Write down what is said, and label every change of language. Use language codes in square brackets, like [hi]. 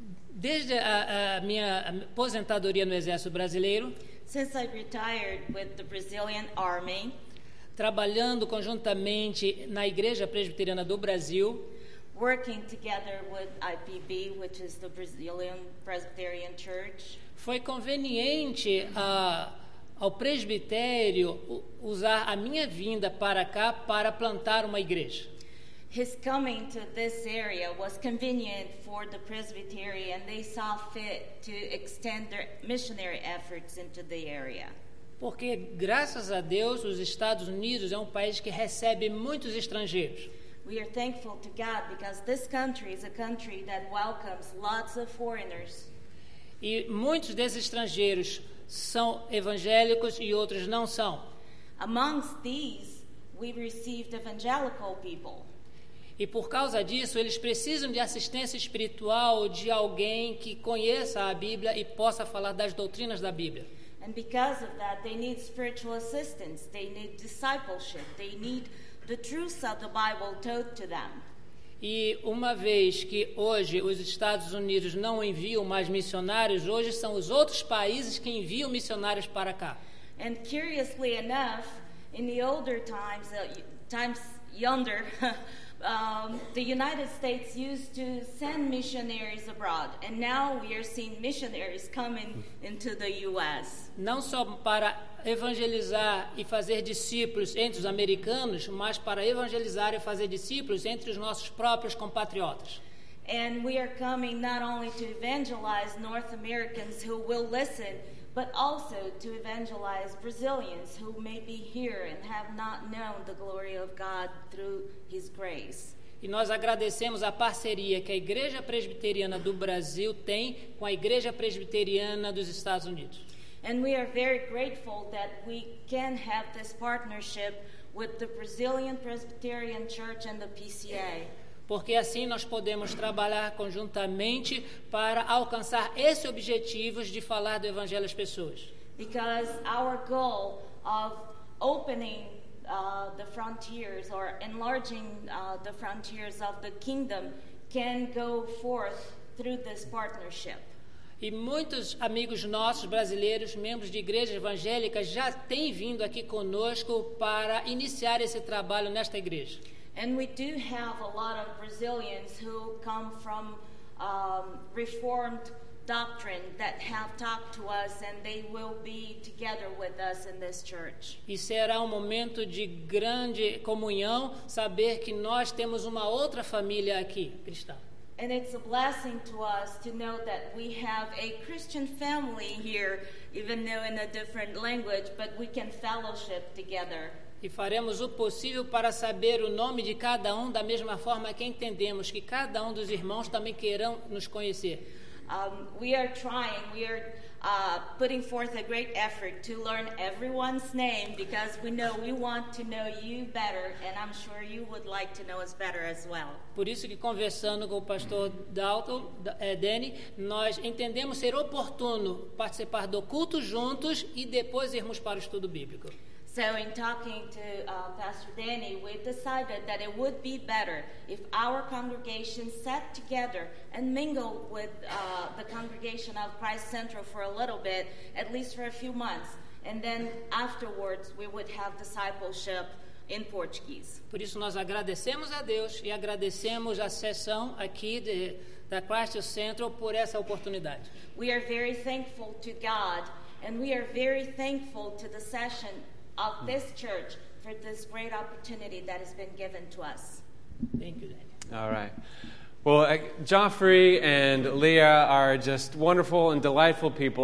[pt] Desde a minha aposentadoria no Exército Brasileiro, [en] since I retired with the Brazilian Army, [pt] trabalhando conjuntamente na Igreja Presbiteriana do Brasil, [en] working together with IPB, which is the Brazilian Presbyterian Church, [pt] foi conveniente ao presbitério usar a minha vinda para cá para plantar uma igreja. [en] His coming to this area was convenient for the presbytery and they saw fit to extend their missionary efforts into the area. [pt] Porque graças a Deus os Estados Unidos é um país que recebe muitos estrangeiros. [en] We are thankful to God because this country is a country that welcomes lots of foreigners. [pt] E muitos desses estrangeiros são evangélicos e outros não são. [en] Amongst these, we received evangelical people. [pt] E por causa disso, eles precisam de assistência espiritual de alguém que conheça a Bíblia e possa falar das doutrinas da Bíblia. [en] And because of that, they need spiritual assistance, they need discipleship, they need the truths of the Bible taught to them. [pt] E uma vez que hoje os Estados Unidos não enviam mais missionários, hoje são os outros países que enviam missionários para cá. [en] And curiously enough, in the older times, times younger, the United States used to send missionaries abroad, and now we are seeing missionaries coming into the U.S. [pt] Não só para evangelizar e fazer discípulos entre os americanos, mas para evangelizar e fazer discípulos entre os nossos próprios compatriotas. [en] And we are coming not only to evangelize North Americans who will listen, but also to evangelize Brazilians who may be here and have not known the glory of God through His grace. [pt] E nós agradecemos a parceria que a Igreja Presbiteriana do Brasil tem com a Igreja Presbiteriana dos Estados Unidos. [en] And we are very grateful that we can have this partnership with the Brazilian Presbyterian Church and the PCA. [pt] Porque assim nós podemos trabalhar conjuntamente para alcançar esse objetivo de falar do Evangelho às pessoas. [en] Because our goal of opening the frontiers or enlarging the frontiers of the kingdom can go forth through this partnership. [pt] E muitos amigos nossos brasileiros, membros de igrejas evangélicas, já têm vindo aqui conosco para iniciar esse trabalho nesta igreja. [en] And we do have a lot of Brazilians who come from reformed doctrine that have talked to us, and they will be together with us in this church. [pt] E será momento de grande comunhão saber que nós temos uma outra família aqui, cristã. [en] And it's a blessing to us to know that we have a Christian family here, even though in a different language, but we can fellowship together. [pt] E faremos o possível para saber o nome de cada da mesma forma que entendemos que cada dos irmãos também queiram nos conhecer. [en] We are trying, we are putting forth a great effort to learn everyone's name because we know we want to know you better and I'm sure you would like to know us better as well. [pt] Por isso que conversando com o pastor Dalton, Danny, nós entendemos ser oportuno participar do culto juntos e depois irmos para o estudo bíblico. [en] So in talking to Pastor Danny, we decided that it would be better if our congregation sat together and mingled with the congregation of Christ Central for a little bit, at least for a few months, and then afterwards we would have discipleship in Portuguese. [pt] Por isso nós agradecemos a Deus e agradecemos a sessão aqui da Christ Central por essa oportunidade. [en] We are very thankful to God and we are very thankful to the session of this church for this great opportunity that has been given to us. Thank you, Daniel. All right. Well, Joffrey and Leah are just wonderful and delightful people.